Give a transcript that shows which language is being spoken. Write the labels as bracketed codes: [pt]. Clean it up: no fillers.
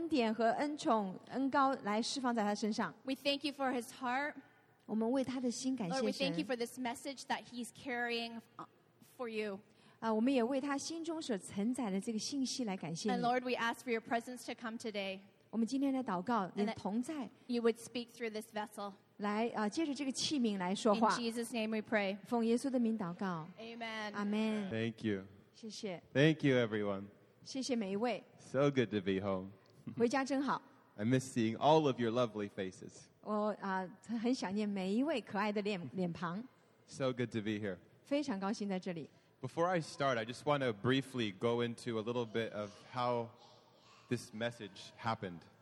[zh] 在他分享的时候，我们祷告恩典和恩宠、恩膏来释放在他身上。 [en] We thank you for his heart. [zh] 我们为他的心感谢神。 [en] Lord, we thank you for this message that he's carrying for you. [zh] 我们也为他心中所承载的这个信息来感谢你。 [en] And Lord, we ask for your presence to come today. [zh] 我们今天来祷告，你同在。 [en] You would speak through this vessel. [zh] 来，借着这个器皿来说话。 [en] In Jesus' name we pray. [zh] 奉耶稣的名祷告。 [en] Amen. Amen. Thank you. [zh] 谢谢。 [en] Thank you, everyone. [zh] 谢谢每一位。 [en] So good to be home. [zh] 回家真好。 [en] I miss seeing all of your lovely faces. [zh] 我很想念每一位可爱的脸庞。 [en] So good to be here. [zh] 非常高兴在这里。 [en] Before I start, I just want to briefly go into a little bit of how this message happened.